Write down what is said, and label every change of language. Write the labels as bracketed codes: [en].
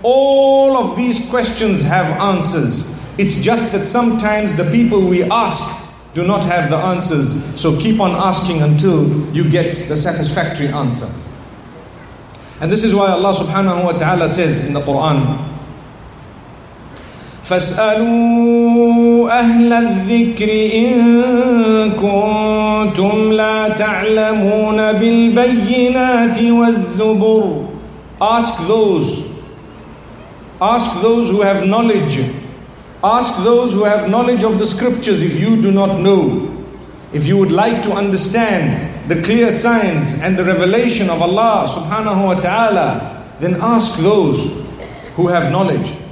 [en] All of these questions have answers. It's just that sometimes the people we ask do not have the answers. So keep on asking until you get the satisfactory answer. And this is why Allah subhanahu wa ta'ala says in the Quran, [ar] فاسألوا أهل الذكر إن كنتم لا تعلمون بالبينات والزبر. [en] Ask those who have knowledge. Ask those who have knowledge of the scriptures if you do not know. If you would like to understand the clear signs and the revelation of Allah subhanahu wa ta'ala, then ask those who have knowledge.